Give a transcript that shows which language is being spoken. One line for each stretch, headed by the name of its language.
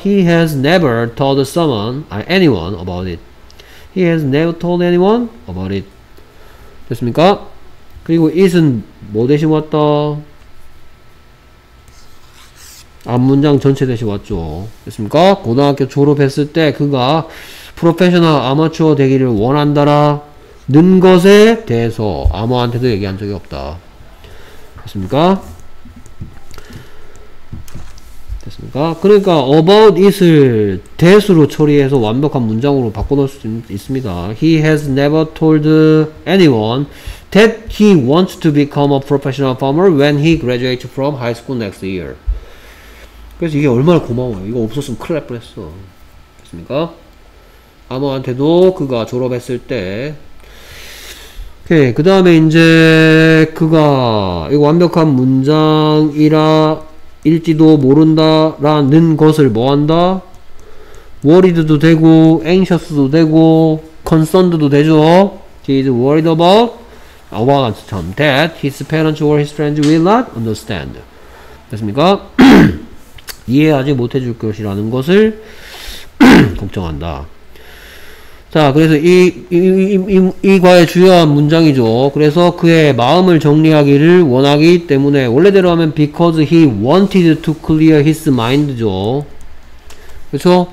English: He has never told someone, anyone about it. He has never told anyone about it.
Korean: 됐습니까? 그리고 it은 뭐 대신 왔다? 앞 문장 전체 대신 왔죠. 됐습니까? 고등학교 졸업했을 때 그가 프로페셔널 아마추어 되기를 원한다라 는 것에 대해서 아무한테도 얘기한 적이 없다. 됐습니까? 됐습니까? 그러니까 about it을 that으로 처리해서 완벽한 문장으로 바꿔놓을 수 있습니다.
English: He has never told anyone that he wants to become a professional farmer when he graduates from high school next year.
Korean: 그래서 이게 얼마나 고마워요. 이거 없었으면 큰일 날 뻔했어. 됐습니까? 아무한테도 그가 졸업했을 때. 오케이. 그 다음에 이제 그가 이거 완벽한 문장이라 일지도 모른다라는 것을 뭐한다? worried도 되고 anxious도 되고 concerned도 되죠.
English: He is worried about a want term that his parents or his friends will not understand.
Korean: 됐습니까? 이해하지 못해줄 것이라는 것을 걱정한다. 자, 그래서 이 과의 주요한 문장이죠. 그래서 그의 마음을 정리하기를 원하기 때문에 원래대로 하면
English: because he wanted to clear his mind
Korean: 죠. 그렇죠?